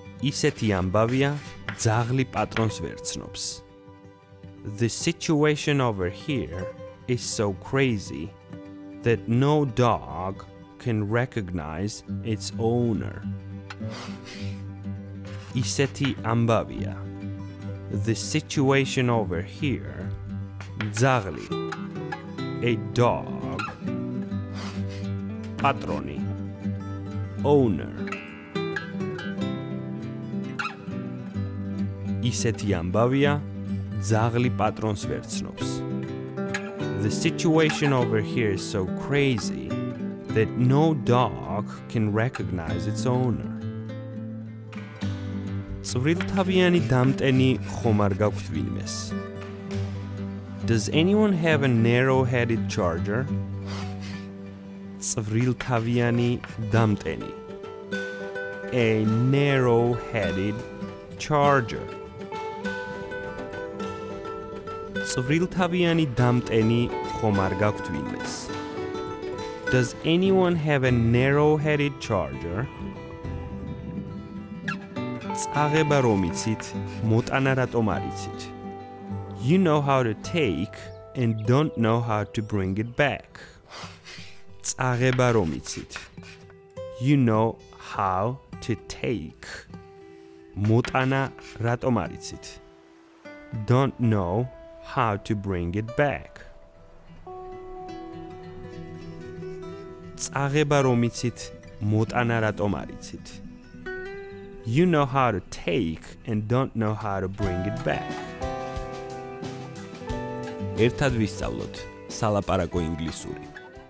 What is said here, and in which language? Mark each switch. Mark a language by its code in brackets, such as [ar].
[ka] ისეთი ამბავია ძაღლი პატრონს ვერცნობს. [en] The situation over here is so crazy that no dog can recognize its owner. [ka] ისეთი ამბავია. [en] The situation over here, ძაღლი. A dog. Patroni. Owner. [ka] ისეთი ამბავია, ძაღლი პატრონს ვერცნობს. [en] The situation over here is so crazy that no dog can recognize its owner. [ka] წვრილთავიანი დამტენი ხომ არ გაქვთ ვინმეს? [en] Does anyone have a narrow-headed charger? [ka] წვრილთავიანი დამტენი. [en] A narrow-headed charger. [ka] წვრილთავიანი დამტენი ხომ არ გაქვთ ვინმეს? [en] Does anyone have a narrow-headed charger? [ka] წაღება რომ იცით, მოტანა რატომ არ იცით? [en] You know how to take and don't know how to bring it back. [ka] წაღება რომ იცით. [en] You know how to take. [ka] მოტანა რატომ არ იცით? [en] Don't know how to bring it back. [ka] წაღება რომ იცით, მოტანა რატომ არ იცით? [en] You know how to take and don't know how to bring it back. [ka] ერთად ვისწავლოთ სალაპარაკო ინგლისური.